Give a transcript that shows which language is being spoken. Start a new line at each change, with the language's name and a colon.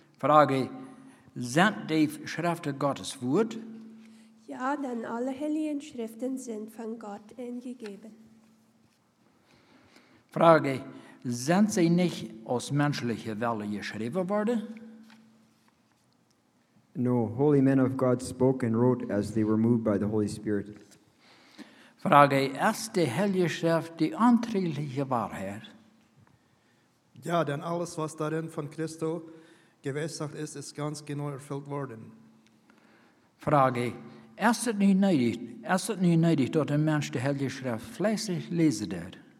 German: Frage: Sind die Schriften Gottes Wort? Ja, denn alle heiligen Schriften sind von Gott eingegeben. Frage: Sind sie nicht aus menschlicher Welle geschrieben worden?
English: No, holy men of God spoke and wrote as they were moved by the Holy Spirit.
German: Frage: Ist die Heilige Schrift die untrügliche Wahrheit? Ja, denn alles, was darin von Christo geweissagt ist, ist ganz genau erfüllt worden. Frage: Erst nicht neidig, dass ein Mensch die Heilige Schrift fleißig lesen wird.